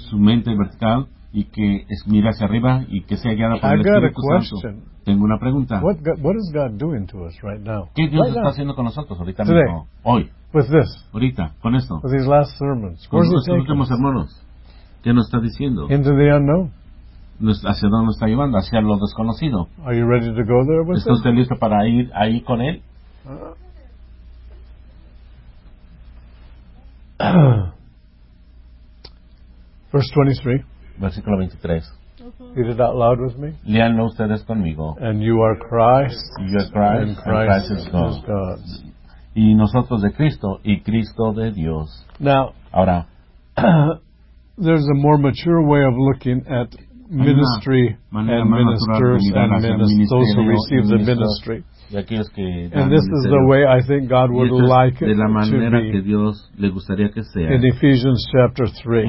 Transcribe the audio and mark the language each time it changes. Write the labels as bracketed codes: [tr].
[es] Su mente vertical, y que es mira hacia arriba y que sea guiada por el Espíritu Santo. Tengo una pregunta. [en] What is God doing to us right now? [es] ¿Qué Dios [en] right [es] está [en] now? [es] Haciendo con nosotros ahorita [en] today, [es] mismo? Hoy. [en] With this. [es] Ahorita, con esto. [en] With these last sermons. [es] Con estos últimos sermones. ¿Qué nos está diciendo? [en] Into the unknown. [es] ¿Hacia dónde nos está llevando? Hacia lo desconocido. [en] Are you ready to go there with [es] ¿Está usted listo para ir ahí con él? [en] Verse 23. [es] Versículo 23. [en] Read it out loud with me. [es] Léanlo ustedes conmigo. [en] And you are Christ. You are Christ. And Christ is God. [es] Y nosotros de Cristo y Cristo de Dios. [en] Now, [es] ahora, [en] there's a more mature way of looking at ministry and ministers and ministers who receive the ministry. [es] Y aquellos que [en] and this is the way I think God would like [es] de la manera [en] it to [es] que Dios le gustaría que sea. [en] In Ephesians chapter 3.